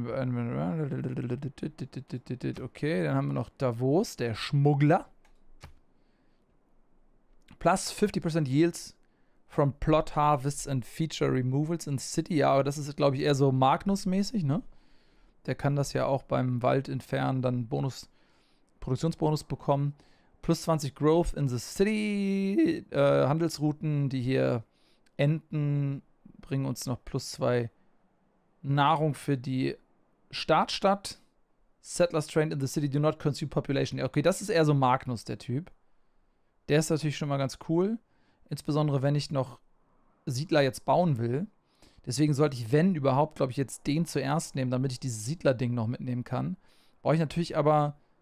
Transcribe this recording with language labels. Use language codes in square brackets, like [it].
[de] Okay, dann haben wir noch Davos, der Schmuggler. [en] Plus 50% Yields from Plot Harvests and Feature Removals in City. [de] Ja, aber das ist, glaube ich, eher so Magnus-mäßig, ne? Der kann das ja auch beim Wald entfernen, dann Bonus, Produktionsbonus bekommen. [en] Plus 20 Growth in the City. [de] Handelsrouten, die hier enden, bringen uns noch plus 2 Nahrung für die Startstadt. [en] Settlers trained in the city do not consume population. [de] Okay, das ist eher so Magnus, der Typ. Der ist natürlich schon mal ganz cool. Insbesondere, wenn ich noch Siedler jetzt bauen will. Deswegen sollte ich, wenn überhaupt, glaube ich, jetzt den zuerst nehmen, damit ich dieses Siedler-Ding noch mitnehmen kann. Brauche ich natürlich aber...